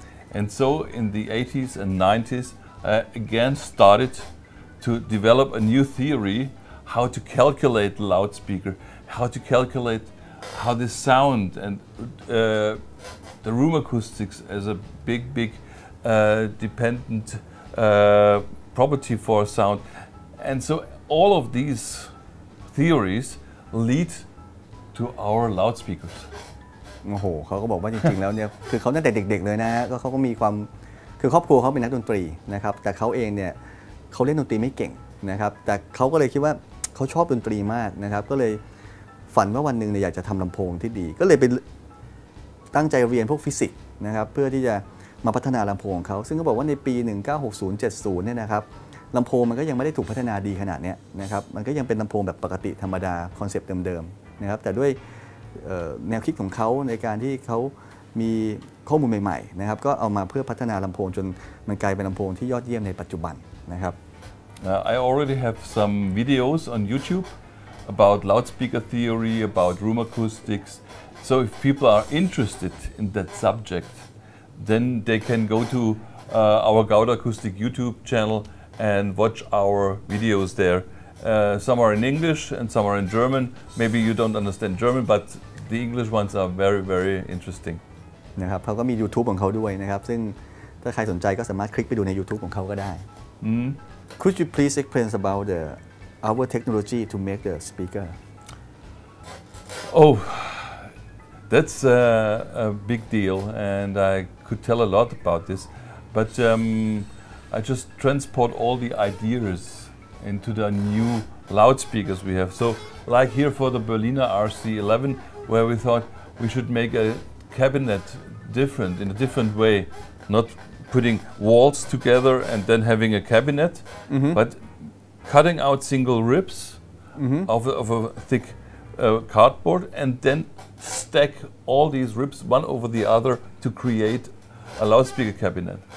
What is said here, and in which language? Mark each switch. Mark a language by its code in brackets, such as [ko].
[en] And so in the 80s and 90s I again started to develop a new theory, how to calculate the loudspeaker, how to calculate how the sound and the room acoustics as a big dependent property for sound. And so all of these theories lead to our loudspeakers. [th] โอ้โหเขาก็บอกว่าจริงๆแล้วเนี่ยคือเขาตั้งแต่เด็กๆเลยนะก็เขาก็มีความคือครอบครัวเขาเป็นนักดนตรีนะครับแต่เขาเองเนี่ยเขาเล่นดนตรีไม่เก่งนะครับแต่เขาก็เลยคิดว่าเขาชอบดนตรีมากนะครับก็เลยฝันว่าวันนึงเนี่ยอยากจะทำลำโพงที่ดีก็เลยไป ตั้งใจเรียนพวกฟิสิกส์นะครับเพื่อที่จะมาพัฒนาลำโพงของเขาซึ่งเขาบอกว่าในปี1960-70เนี่ยนะครับลำโพงมันก็ยังไม่ได้ถูกพัฒนาดีขนาดนี้นะครับมันก็ยังเป็นลำโพงแบบปกติธรรมดาคอนเซปต์เดิมๆนะครับแต่ด้วยแนวคิดของเขาในการที่เขามีข้อมูลใหม่ๆนะครับก็เอามาเพื่อพัฒนาลำโพงจนมันกลายเป็นลำโพงที่ยอดเยี่ยมในปัจจุบันนะครับ [en] I already have some videos on YouTubeabout loudspeaker theory, about room acoustics. So if people are interested in that subject, then they can go to our Gouda Acoustic YouTube channel and watch our videos there. Some are in English and some are in German. Maybe you don't understand German, but the English ones are very, very interesting. [th] นะครับ เขาก็มี YouTube ของเขาด้วยนะครับ ซึ่งถ้าใครสนใจก็สามารถคลิกไปดูใน YouTube ของเขาก็ได้ [en] Could you please explain about theOur technology to make the speaker? Oh, that's a big deal, and I could tell a lot about this, but I just transport all the ideas into the new loudspeakers we have. So like here for the Berliner RC11, where we thought we should make a cabinet different, in a different way, not putting walls together and then having a cabinet, but cutting out single ribs of a thick cardboard and then stack all these ribs one over the other to create a loudspeaker cabinet.